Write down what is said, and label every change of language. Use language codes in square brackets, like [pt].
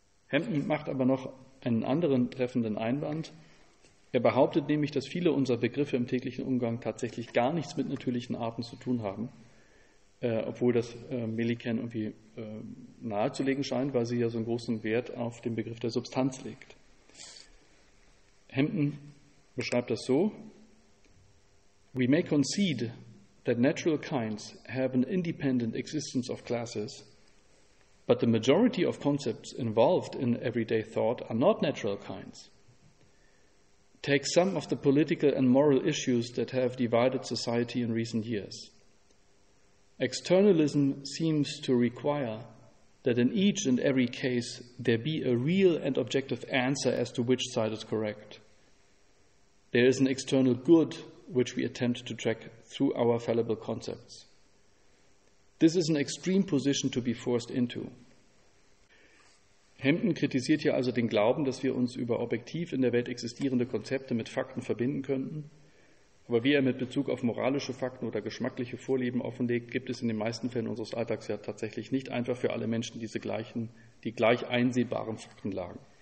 [de] Hampton macht aber noch einen anderen treffenden Einwand. Er behauptet nämlich, dass viele unserer Begriffe im täglichen Umgang tatsächlich gar nichts mit natürlichen Arten zu tun haben, obwohl das Millikan irgendwie nahezulegen scheint, weil sie ja so einen großen Wert auf den Begriff der Substanz legt. [en] Hampton beschreibt das so: We may concede that natural kinds have an independent existence of classes, but the majority of concepts involved in everyday thought are not natural kinds. Take some of the political and moral issues that have divided society in recent years. Externalism seems to require that in each and every case there be a real and objective answer as to which side is correct. There is an external good which we attempt to track through our fallible concepts. This is an extreme position to be forced into. [de] Hampton kritisiert hier also den Glauben, dass wir uns über objektiv in der Welt existierende Konzepte mit Fakten verbinden könnten. Aber wie er mit Bezug auf moralische Fakten oder geschmackliche Vorlieben offenlegt, gibt es in den meisten Fällen unseres Alltags ja tatsächlich nicht einfach für alle Menschen die gleich einsehbaren Faktenlagen.